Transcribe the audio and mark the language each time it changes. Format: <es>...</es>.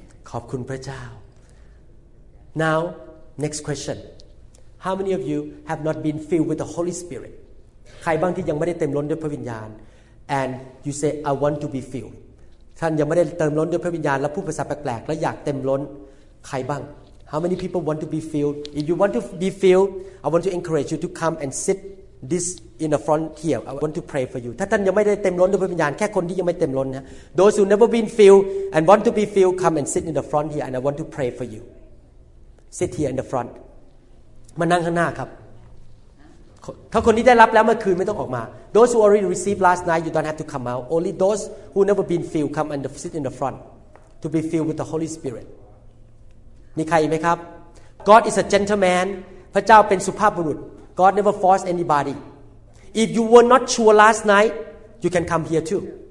<th>ขอบคุณพระเจ้า</th> <en>Now, next question. How many of you have not been filled with the Holy Spirit?</en> <th>ใครบ้างที่ยังไม่ได้เต็มล้นด้วยพระวิญญาณ</th> <en>And you say, I want to be filled</en> <th>ท่านยังไม่ได้เติมล้นด้วยพระวิญญาณและพูดภาษาแปลกๆและอยากเต็มล้นใครบ้าง</th> <en>How many people want to be filled? If you want to be filled, I want to encourage you to come and sit this in the front here. I want to pray for you.</en> <th>ถ้าท่านยังไม่ได้เต็มล้นด้วยพระวิญญาณแค่คนที่ยังไม่เต็มล้นนะ</th> <en>Those who never been filled and want to be filled, come and sit in the front here and I want to pray for you. Sit here in the front.</en> <th>มานั่งข้างหน้าครับถ้าคนนี้ได้รับแล้วเมื่อคืนไม่ต้องออกมา</th> <en>Those who already received last night you don't have to come out Only those who never been filled come and sit in the front To be filled with the Holy Spirit</en> <th>มีใครไหมครับ</th> <en>God is a gentleman</en> <th>พระเจ้าเป็นสุภาพบุรุษ</th> <en>God never force anybody If you were not sure last night You can come here too</en>